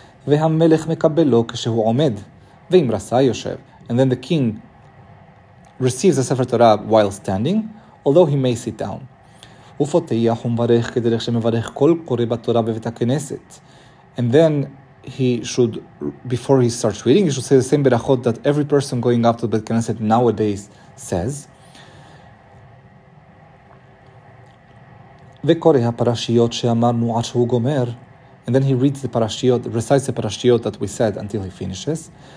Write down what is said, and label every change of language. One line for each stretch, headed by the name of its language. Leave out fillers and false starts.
Hebrew: והמלך מקבלו כשהוא עומד, ועם רסה יושב.
English: And then the king receives the Sefer Torah while standing, although he may sit down.
Hebrew: ופותח ומברך כדרך שמברך כל קורא בתורה בבית הכנסת.
English: And then he should, before he starts reading, he should say the same berachot that every person going up to Beit Knesset nowadays says.
Hebrew: וקורא הפרשיות שאמרנו עד שהוא גומר.
English: And then he reads the parashiyot, recites the parashiyot that we said until he finishes.